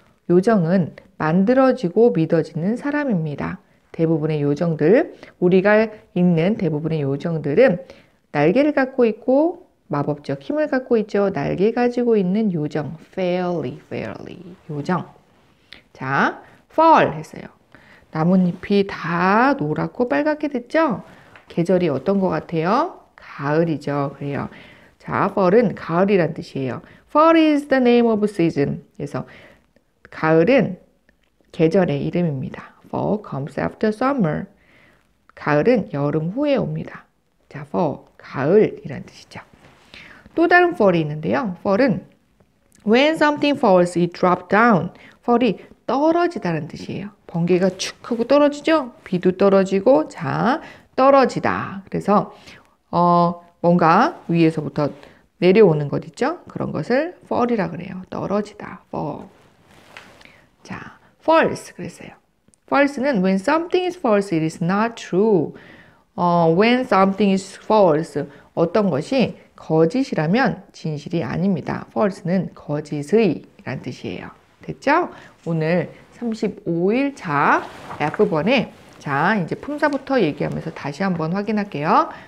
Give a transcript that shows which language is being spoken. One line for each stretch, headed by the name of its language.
Korean: 요정은 만들어지고 믿어지는 사람입니다. 대부분의 요정들, 우리가 있는 대부분의 요정들은 날개를 갖고 있고 마법적 힘을 갖고 있죠. 날개 가지고 있는 요정. Fairly. 요정. 자, fall 했어요. 나뭇잎이 다 노랗고 빨갛게 됐죠? 계절이 어떤 것 같아요? 가을이죠. 그래요. 자, fall은 가을이란 뜻이에요.
English: Fall is the name of season.
Korean: 그래서 가을은 계절의 이름입니다.
English: Fall comes after summer.
Korean: 가을은 여름 후에 옵니다. 자, fall, 가을이란 뜻이죠. 또 다른 fall이 있는데요.
English: Fall은 when something falls, it drops down.
Korean: Fall이 떨어지다는 뜻이에요. 번개가 축 하고 떨어지죠? 비도 떨어지고, 자, 떨어지다. 그래서, 뭔가 위에서부터 내려오는 것 있죠? 그런 것을 fall이라 그래요. 떨어지다. fall. 자, false 그랬어요.
English: false는 when something is false, it is not true. When something is false,
Korean: 어떤 것이 거짓이라면 진실이 아닙니다. false는 거짓의란 뜻이에요. 됐죠? 오늘 35일 차 F번에 자, 이제 품사부터 얘기하면서 다시 한번 확인할게요.